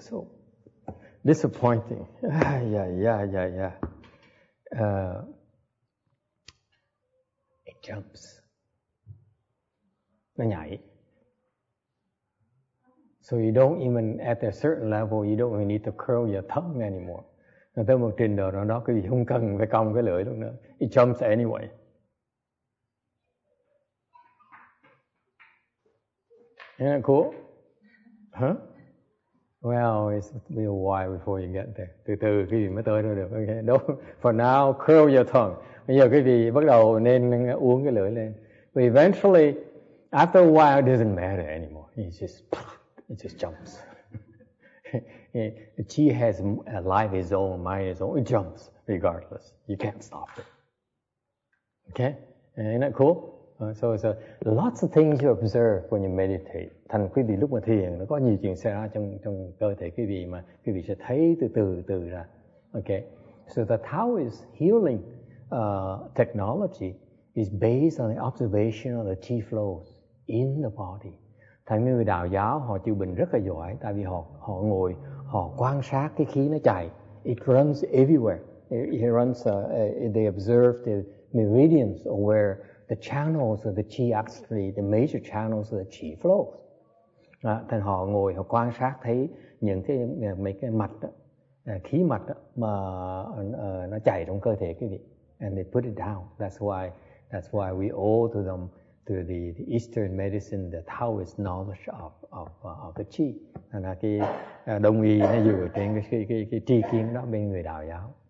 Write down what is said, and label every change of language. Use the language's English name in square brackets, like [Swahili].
[English] So disappointing. Yeah. It jumps. [Vietnamese] Nó nhảy. [English] So you don't even, at a certain level, you don't even need to curl your tongue anymore. [Vietnamese] Nó tới một trình độ nào đó, cái gì không cần phải cong cái lưỡi luôn nữa. [English] It jumps anyway. Isn't that cool? Huh? Well, it's a little while before you get there. [Vietnamese] Từ từ quý vị mới tới thôi được. [English] Okay. Don't, for now, curl your tongue. [Vietnamese] Bây giờ quý vị bắt đầu nên uống cái lưỡi lên. [English] But eventually, after a while, it doesn't matter anymore. It just jumps. The chi has a life of its own, mind of its own. It jumps regardless. You can't stop it. Okay? Isn't that cool? So lots of things you observe when you meditate. [Vietnamese] Thành quý vị lúc mà thiền nó có nhiều chuyện xảy ra trong cơ thể quý vị mà quý vị sẽ thấy từ từ ra. [English] Okay. So the Taoist healing technology is based on the observation of the qi flows in the body. [Vietnamese] Thành người đạo giáo họ chữa bệnh rất là giỏi tại vì họ ngồi họ quan sát cái khí nó chạy. [English] It runs everywhere. They observe the meridians or where the channels of the qi actually, the major channels of the qi flows. [Vietnamese] Thành họ ngồi, họ quan sát thấy những cái mấy cái mạch đó, khí mạch đó mà nó chảy trong cơ thể quý vị. [English] And they put it down. That's why we owe to them, to the Eastern medicine, the Taoist knowledge of the qi. [Vietnamese] Thành là cái đông y nó dựa trên cái tri kiến đó bên người đạo giáo.